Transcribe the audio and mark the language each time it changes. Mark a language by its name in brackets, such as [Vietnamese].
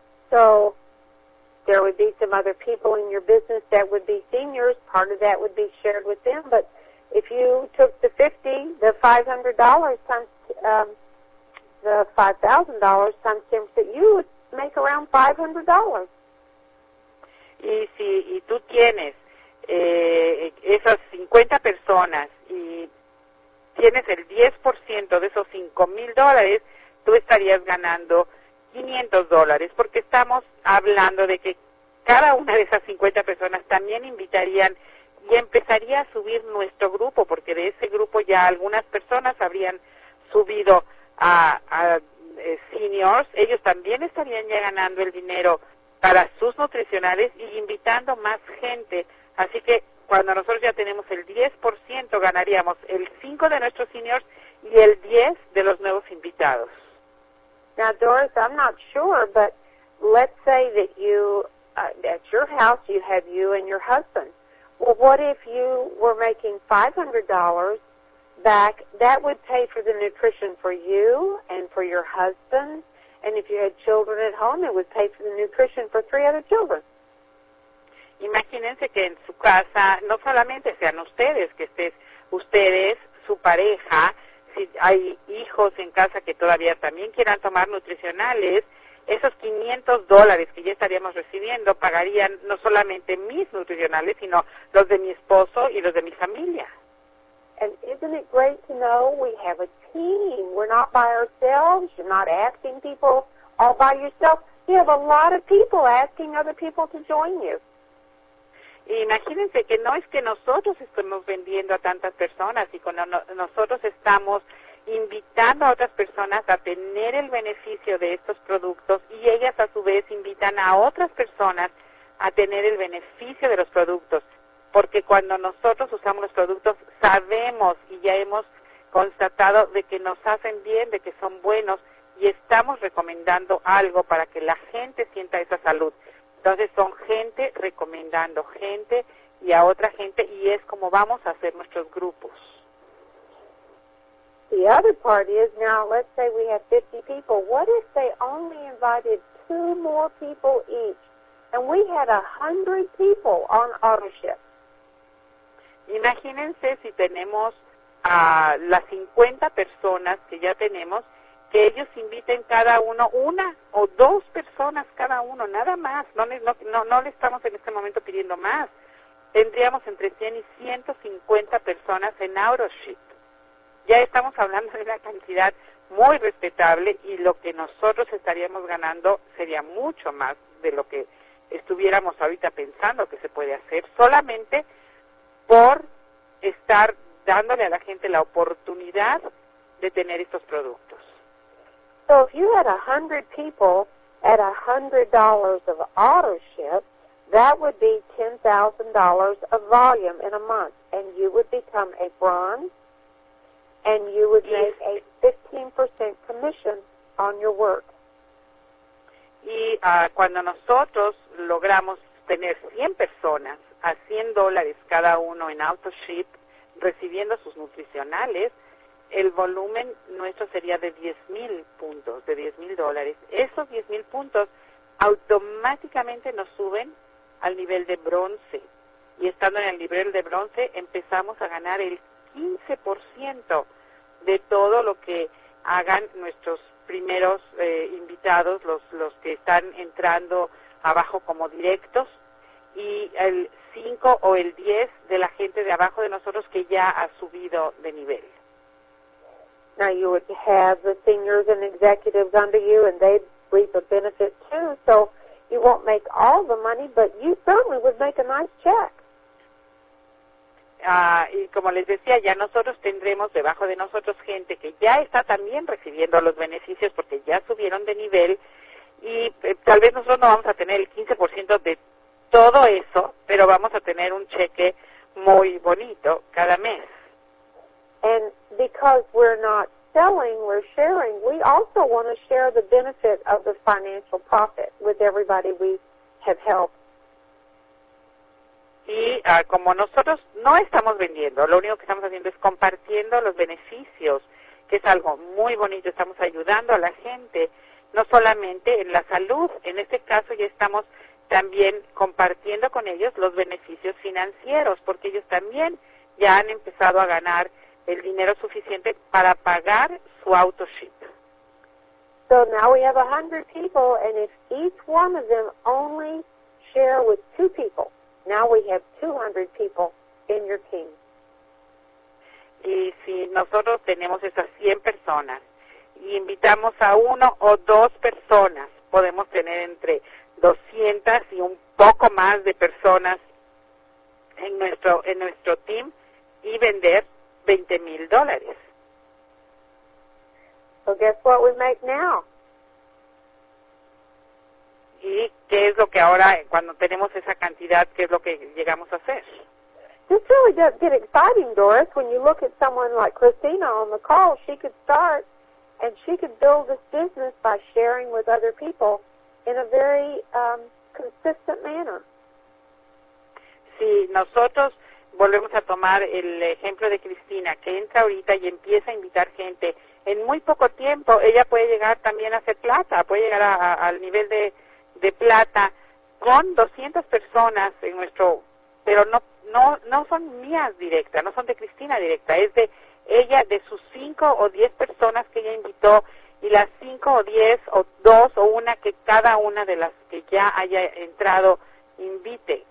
[English] So, there would be some other people in your business that would be seniors. Part of that would be shared with them. But if you took the $500 times the $5,000 times 10%, you would make around $500. [Spanish] Y si y tú tienes esas 50 personas y tienes el 10% de esos $5,000, tú estarías ganando $500, porque estamos hablando de que cada una de esas 50 personas también invitarían y empezaría a subir nuestro grupo, porque de ese grupo ya algunas personas habrían subido a seniors, ellos también estarían ya ganando el dinero para sus nutricionales y invitando más gente. Así que cuando nosotros ya tenemos el 10%, ganaríamos el 5 de nuestros seniors y el 10 de los nuevos invitados. [English] Now, Doris, I'm not sure, but let's say that you, at your house, you have you and your husband. Well, what if you were making $500 back? That would pay for the nutrition for you and for your husband. And if you had children at home, it would pay for the nutrition for three other children. [Spanish] Imagínense que en su casa no solamente sean ustedes, que estés ustedes, su pareja, si hay hijos en casa que todavía también quieran tomar nutricionales, esos $500 que ya estaríamos recibiendo pagarían no solamente mis nutricionales, sino los de mi esposo y los de mi familia. [English] And isn't it great to know we have a team? We're not by ourselves. You're not asking people all by yourself. You have a lot of people asking other people to join you. [Spanish] Imagínense que no es que nosotros estemos vendiendo a tantas personas y cuando nosotros estamos invitando a otras personas a tener el beneficio de estos productos y ellas a su vez invitan a otras personas a tener el beneficio de los productos. Porque cuando nosotros usamos los productos sabemos y ya hemos constatado de que nos hacen bien, de que son buenos y estamos recomendando algo para que la gente sienta esa salud. Entonces son gente recomendando gente y a otra gente y es como vamos a hacer nuestros grupos. [English] The other part is now let's say we have 50 people. What if they only invited two more people each and we had 100 people on Autoship? [Spanish] Imagínense si tenemos a las 50 personas que ya tenemos, que ellos inviten cada uno, una o dos personas cada uno, nada más. No le estamos en este momento pidiendo más. Tendríamos entre 100 y 150 personas en Autoship. Ya estamos hablando de una cantidad muy respetable y lo que nosotros estaríamos ganando sería mucho más de lo que estuviéramos ahorita pensando que se puede hacer, solamente por estar dándole a la gente la oportunidad de tener estos productos. [English] So if you had 100 people at $100 of Autoship, that would be $10,000 of volume in a month, and you would become a bronze, and you would make a 15% commission on your work. [Spanish] Y cuando nosotros logramos tener 100 personas a $100 cada uno en Autoship, recibiendo sus nutricionales, el volumen nuestro sería de 10,000 puntos, de $10,000. Esos 10,000 puntos automáticamente nos suben al nivel de bronce. Y estando en el nivel de bronce, empezamos a ganar el 15% de todo lo que hagan nuestros primeros invitados, los que están entrando abajo como directos, y el 5 o el 10 de la gente de abajo de nosotros que ya ha subido de nivel. [English] Now you would have the seniors and executives under you, and they'd reap a benefit too, so you won't make all the money, but you certainly would make a nice check. [Spanish] Y como les decía, ya nosotros tendremos debajo de nosotros gente que ya está también recibiendo los beneficios porque ya subieron de nivel, y tal vez nosotros no vamos a tener el 15% de todo eso, pero vamos a tener un cheque muy bonito cada mes. [English] And because we're not selling, we're sharing, we also want to share the benefit of the financial profit with everybody we have helped. [Spanish] Y como nosotros no estamos vendiendo, lo único que estamos haciendo es compartiendo los beneficios, que es algo muy bonito, estamos ayudando a la gente, no solamente en la salud, en este caso ya estamos también compartiendo con ellos los beneficios financieros, porque ellos también ya han empezado a ganar el dinero suficiente para pagar su Autoship. [English] So now we have 100 people, and if each one of them only share with two people, now we have 200 people in your team. [Spanish] Y si nosotros tenemos esas 100 personas y invitamos a uno o dos personas, podemos tener entre 200 y un poco más de personas en nuestro team y vender $20,000. [English] So guess what we make now? [Spanish] ¿Y qué es lo que ahora, cuando tenemos esa cantidad, qué es lo que llegamos a hacer? [English] This really does get exciting, Doris, when you look at someone like Christina on the call. She could start and she could build this business by sharing with other people in a very consistent manner. [Spanish] Sí, nosotros volvemos a tomar el ejemplo de Cristina, que entra ahorita y empieza a invitar gente. En muy poco tiempo ella puede llegar también a hacer plata, puede llegar al nivel de plata con 200 personas en nuestro, pero no son mías directas, no son de Cristina directa, es de ella, de sus 5 o 10 personas que ella invitó, y las 5 o 10 o 2 o 1 que cada una de las que ya haya entrado invite.